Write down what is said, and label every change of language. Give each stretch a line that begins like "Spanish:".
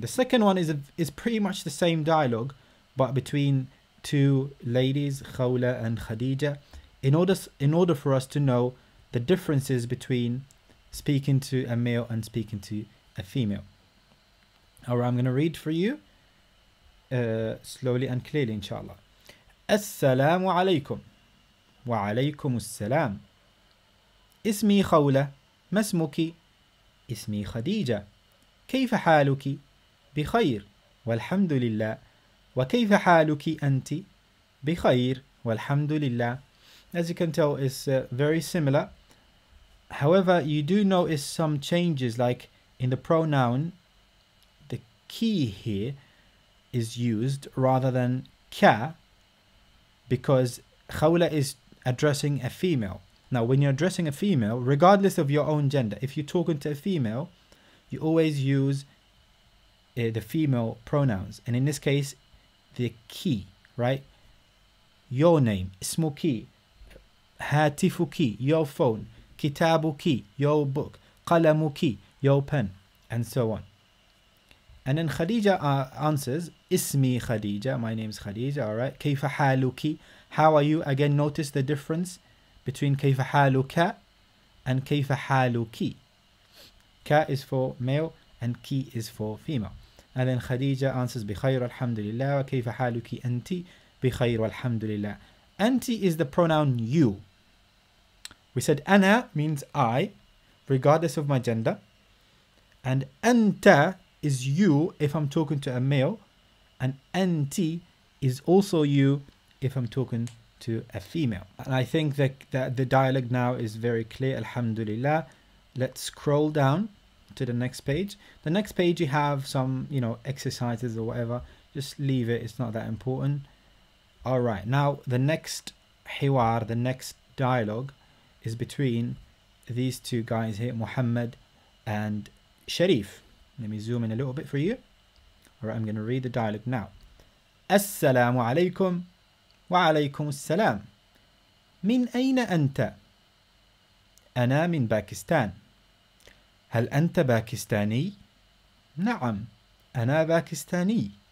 English: The second one is pretty much the same dialogue, but between two ladies, Khawla and Khadija. In order for us to know the differences between speaking to a male and speaking to a female. All right, I'm going to read for you slowly and clearly, inshallah.
Arabic: Assalamu alaykum. Wa alaykum assalam. اسمي خولة ما اسمك اسمي خديجة كيف حالك بخير والحمد لله وكيف حالك أنت بخير والحمد لله.
English: As you can tell, it's very similar. However, you do notice some changes, like in the pronoun the key here is used rather than ka, because Khawla is addressing a female. Now, when you're addressing a female, regardless of your own gender, if you're talking to a female, you always use the female pronouns. And in this case, the key, right? Your name, اسمكي, هاتفكي, your phone, كتابكي, your book, قلمكي, your pen, and so on. And then Khadija answers,
Arabic: اسمي خديجة,
English: my name's Khadija, all right?
Arabic: كيف حالكي,
English: how are you? Again, notice the difference between كيف حالك and كيف حالك. ك is for male and ك is for female. And then
Arabic: خديجة answers بخير الحمد لله وكيف حالك أنت بخير الحمد لله.
English: أنت is the pronoun you. We said أنا means I, regardless of my gender. And أنت is you if I'm talking to a male. And أنت is also you if I'm talking to a female. And I think that the dialogue now is very clear, alhamdulillah. Let's scroll down to the next page. The next page you have some, you know, exercises or whatever. Just leave it, it's not that important. All right, now the next hiwar, the next dialogue is between these two guys here, Muhammad and Sharif. Let me zoom in a little bit for you. All right, I'm going to read the dialogue now.
Arabic: Assalamu alaikum. وعليكم السلام. من أين أنت؟ أنا من باكستان. هل أنت باكستاني؟ نعم أنا باكستاني.